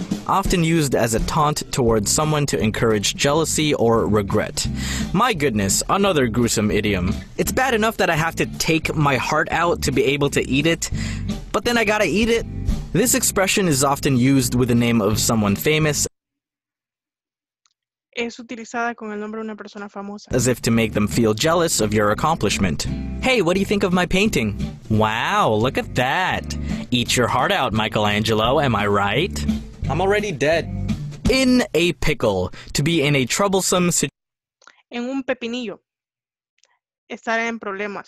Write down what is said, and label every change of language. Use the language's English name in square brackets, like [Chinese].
[English] Often used as a taunt towards someone to encourage jealousy or regret. My goodness, another gruesome idiom. It's bad enough that I have to take my heart out to be able to eat it, but then I gotta eat it? This expression is often used with the name of someone famous. [Spanish] Es utilizada con el nombre de una persona famosa. [English] As if to make them feel jealous of your accomplishment. Hey, what do you think of my painting? Wow, look at that. Eat your heart out, Michelangelo, am I right? I'm already dead. In a pickle. To be in a troublesome situation. [Spanish] En un pepinillo. Estar en problemas.